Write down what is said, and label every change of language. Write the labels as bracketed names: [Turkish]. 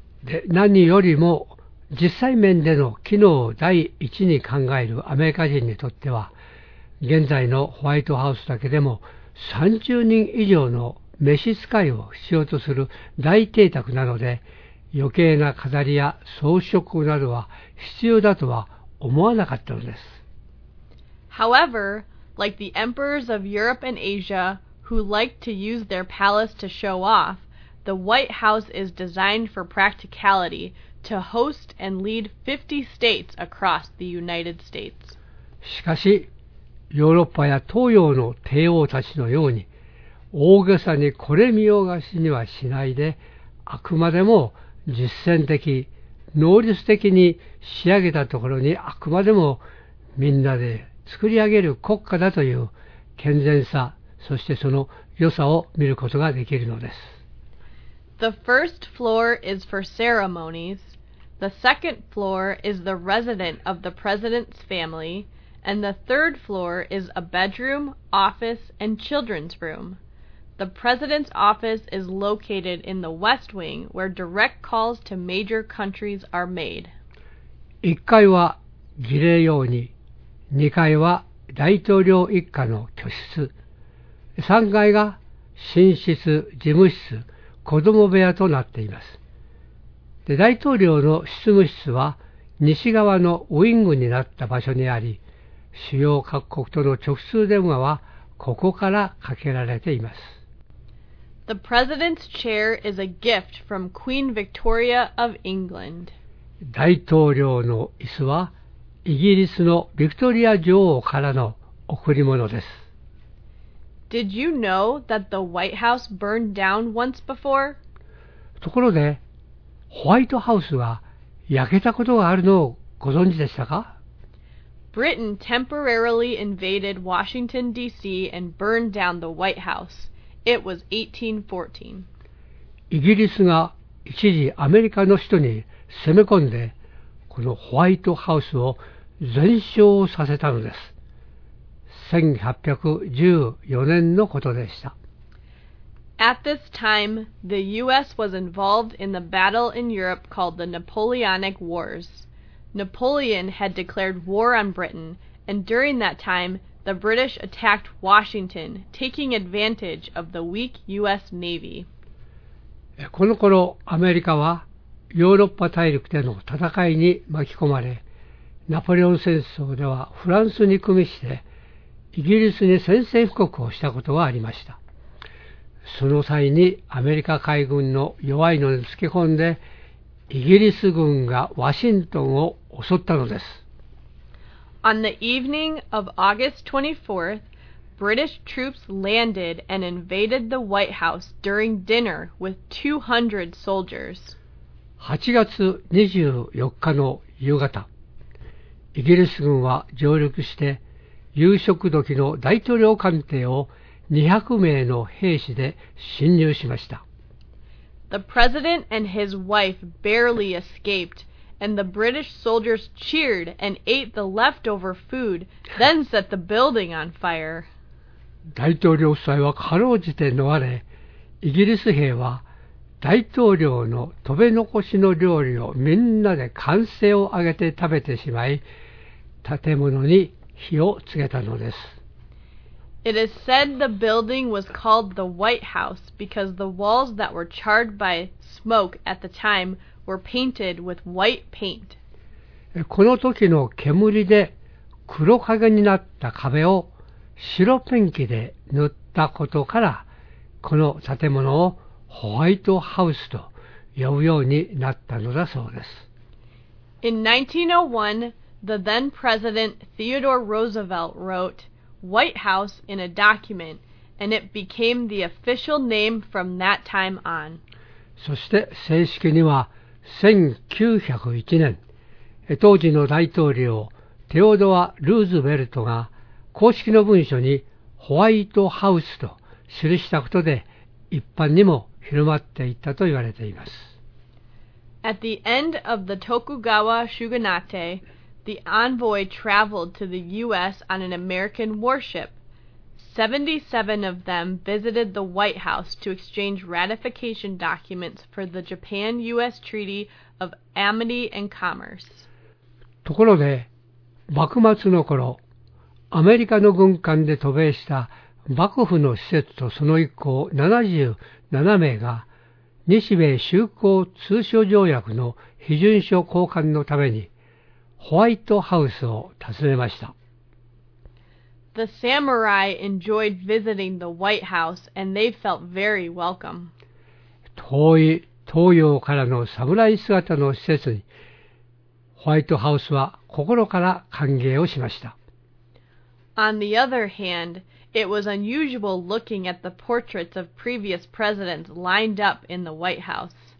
[Japanese] で、何よりも実際面での機能を第一に考えるアメリカ人にとっては、現在のホワイトハウスだけでも30人以上の召使いを必要とする大邸宅なので、余計な飾りや装飾などは必要だとは思わなかったのです。 [English] However, like the emperors of Europe and Asia who like to use their palace to show off, the White House is designed for practicality to host and lead 50 states across the United States. [Japanese] しかし、ヨーロッパや東洋の帝王たちのように大げさにこれ見よがしにはしないで、あくまでも実践的、能率的に仕上げたところに、あくまでもみんなで作り上げる国家だという健全さ、そしてその良さを見ることができるのです。 [English] The first floor is for ceremonies. The second floor is the resident of the president's familyAnd the third floor is a bedroom, office, and children's room. The president's office is located in the west wing, where direct calls to major countries are made. [Japanese] 1階は儀礼用に、2階は大統領一家の居室、3階が寝室、事務室、子供部屋となっています。で、大統領の執務室は西側のウイングになった場所にあり、主要各国との直通電話はここからかけられています。 [English] The president's chair is a gift from Queen Victoria of England. [Japanese] 大統領の椅子はイギリスのヴィクトリア女王からの贈り物です。 [English] Did you know that the White House burned down once before? [Japanese] ところで、ホワイトハウスが焼けたことがあるのをご存知でしたか？ [English] Britain temporarily invaded Washington, D.C. and burned down the White House. It was 1814. [Japanese] イギリスが一時アメリカの首都に攻め込んで、このホワイトハウスを全焼させたのです。 1814年のことでした。 [English] At this time, the U.S. was involved in the battle in Europe called the Napoleonic Wars. Napoleon had declared war on Britain, and during that time, the British attacked Washington, taking advantage of the weak U.S. Navy. [Japanese] この頃、アメリカはヨーロッパ大陸での戦いに巻き込まれ、ナポレオン戦争ではフランスに組みして、イギリスに宣戦布告をしたことがありました。その際にアメリカ海軍の弱いのにつけ込んで、イギリス軍がワシントンを襲ったのです。 [English] On the evening of August 24th, British troops landed and invaded the White House during dinner with 200 soldiers. [Japanese] 8月24日の夕方、イギリス軍は上陸して、夕食時の大統領官邸を200名の兵士で侵入しました。 [English] The president and his wife barely escaped, and the British soldiers cheered and ate the leftover food, then set the building on fire. [Japanese] 大統領夫妻はかろうじて逃れ、イギリス兵は大統領の食べ残しの料理をみんなで歓声を上げて食べてしまい、建物に火をつけたのです。 [English] It is said the building was called the White House because the walls that were charred by smoke at the time were painted with white paint. [Japanese] この時の煙で黒影になった壁を白ペンキで塗ったことから、この建物をホワイトハウスと呼ぶようになったのだそうです。 [English] In 1901, the then President Theodore Roosevelt wrote,White House in a document, and it became the official name from that time on. [Japanese] そして正式には1901年、当時の大統領テオドア・ルーズベルトが公式の文書にホワイトハウスと記したことで一般にも広まっていったと言われています。 [English] At the end of the Tokugawa Shogunate,The envoy traveled to the U.S. on an American warship. 77 of them visited the White House to exchange ratification documents for the Japan-U.S. Treaty of Amity and Commerce. [Japanese] ところで、幕末の頃、アメリカの軍艦で渡米した幕府の使節とその一行77名が、日米修好通商条約の批准書交換のために、ホワイトハウスを訪ねました。 [English] The samurai enjoyed visiting the White House and they felt very welcome. [Japanese] 遠い東洋からの侍姿の施設に、ホワイトハウスは心から歓迎をしました。 [English] On the other hand, it was unusual looking at the portraits of previous presidents lined up in the White House.